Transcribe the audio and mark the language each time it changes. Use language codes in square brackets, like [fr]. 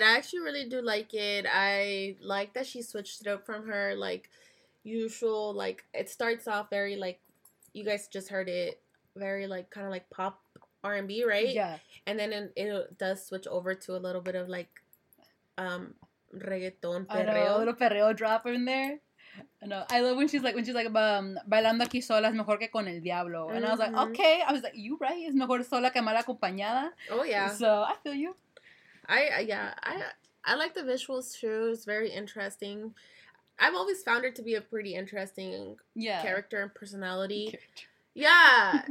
[en] I actually really do like it. I like that she switched it up from her like usual, like it starts off very like, you guys just heard it, very like kind of like pop R&B, right? Yeah. And then it does switch over to a little bit of like reggaeton, perreo. A little perreo drop in there. No, I love when she's like, [es] bailando aquí sola es mejor que con el diablo. [en] Mm-hmm. And I was like, okay. I was like, you're right. [es] Es mejor sola que mal acompañada. [en] Oh, yeah. So, I feel you. I like the visuals, too. It's very interesting. I've always found her to be a pretty interesting character and personality. Yeah.